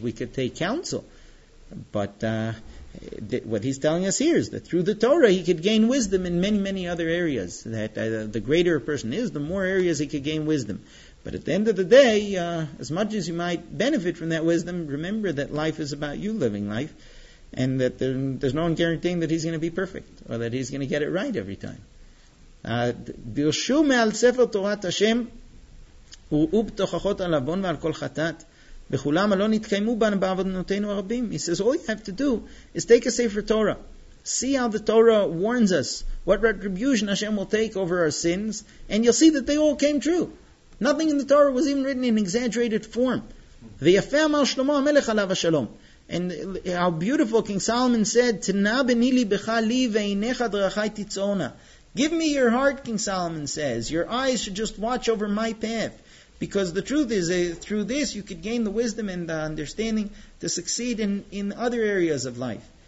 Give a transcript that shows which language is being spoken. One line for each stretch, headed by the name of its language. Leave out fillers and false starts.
English: We could take counsel. But what he's telling us here is that through the Torah, he could gain wisdom in many, many other areas. That the greater a person is, the more areas he could gain wisdom. But at the end of the day, as much as you might benefit from that wisdom, remember that life is about you living life. And that there's no one guaranteeing that he's going to be perfect or that he's going to get it right every time.
Hebrew: דירשו מעל ספר תורת השם וראו בתוכחות על אבון ועל כל חטאת וכולם הלא נתקיימו בעבודנותינו הרבים.
English: He says, all you have to do is take a safer Torah. See how the Torah warns us what retribution Hashem will take over our sins, and you'll see that they all came true. Nothing in the Torah was even written in exaggerated form.
Hebrew: ויפה אמר שלמה המלך עליו השלום.
English: And how beautiful King Solomon said,
Hebrew: תנה בני ליבך לי ועינך דרכי תצאונה.
English: Give me your heart, King Solomon says. Your eyes should just watch over my path. Because the truth is, through this you could gain the wisdom and the understanding to succeed in other areas of life.